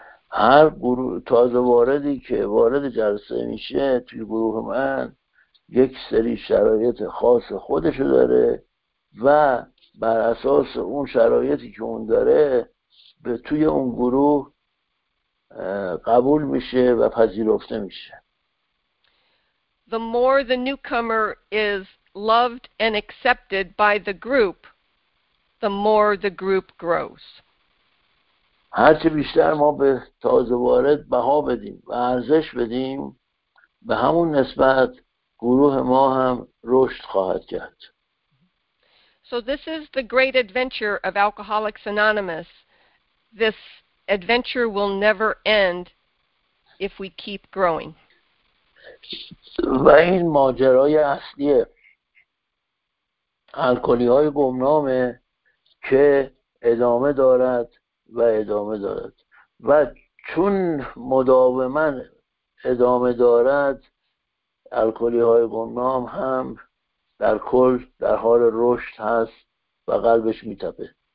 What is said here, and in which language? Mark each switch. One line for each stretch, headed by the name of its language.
Persian: هر گروه تازه واردی که وارد جلسه میشه توی گروه من یک سری شرایط خاص خودشو داره و بر اساس اون شرایطی که اون داره به توی اون گروه قبول میشه و پذیرفته میشه.
English: The more the newcomer is loved and accepted by the group, the more the group grows.
Persian: هرچه بیشتر ما به تازه وارد بها بدیم و ارزش بدیم، به همون نسبت گروه ما هم رشد خواهد کرد.
English: So this is the great adventure of Alcoholics Anonymous. This adventure will never end if we keep growing.
Persian: و این ماجرای اصلی الکلی‌های گمنامه که ادامه دارد و ادامه دارد، و چون مداومن ادامه دارد الکلی‌های گمنام هم در کل در حال رشد هست و قلبش میتپه.